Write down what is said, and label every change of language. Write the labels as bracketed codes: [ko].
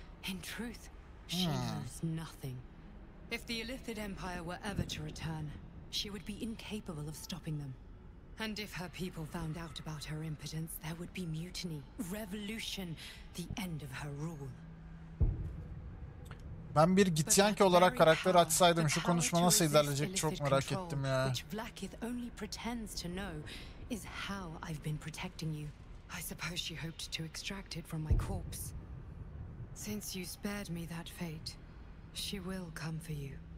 [en] In truth, she knows nothing. If the Illithid Empire were ever to return, she would be incapable of stopping them. And if her people found out about her impotence, there would be mutiny, revolution, the end of her rule. [tr] Ben bir Githyanki olarak karakter açsaydım şu konuşma nasıl ilerleyecek çok merak ettim ya. [en] Blackith only pretends to know is how I've been protecting you. I suppose she hoped to extract it from my corpse. Since you spared me that fate, she will come for you.